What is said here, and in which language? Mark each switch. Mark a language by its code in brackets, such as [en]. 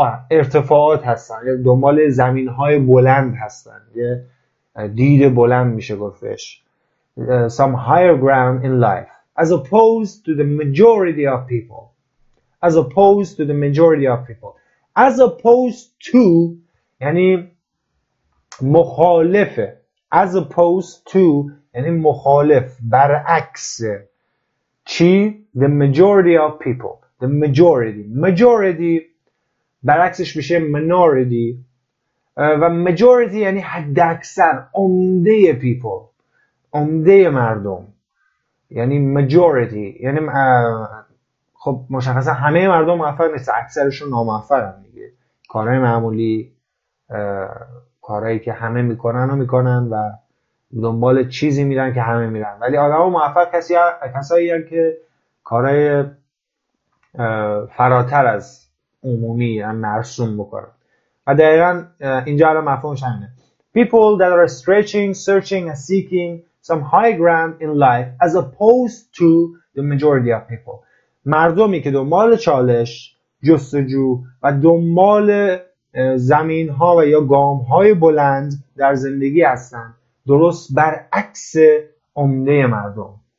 [fa] ارتفاعات هستن، یا دنبال زمین های بلند هستن، یه دید بلند میشه گفتش. [en] Some higher ground in life as opposed to the majority of people. As opposed to the majority of people. As opposed to [fa] یعنی مخالفه. [en] As opposed to [fa] یعنی مخالف، برعکس چی؟ [en] The majority of people. The majority. [fa] Majority برعکسش میشه minority. و majority یعنی حد اکثر، عمده people، عمده مردم. یعنی majority یعنی خب مشخصا همه مردم موفق نیست، اکثرشون ناموفق هم میگه. کارهای معمولی، کارهایی که همه میکنن و میکنن و دنبال چیزی میرن که همه میرن. ولی آدم ها موفق کسایی هم که کارهای فراتر از عمومی هم مرسوم بکنن. و دقیقا اینجا الان مفهومش همینه. [en] People that are stretching, searching and seeking some high ground in life as opposed to the majority of people. [fa] مردمی که دنبال چالش، جستجو و دنبال زمین ها و یا گام های بلند در زندگی هستن، درست برعکس عمده مردم.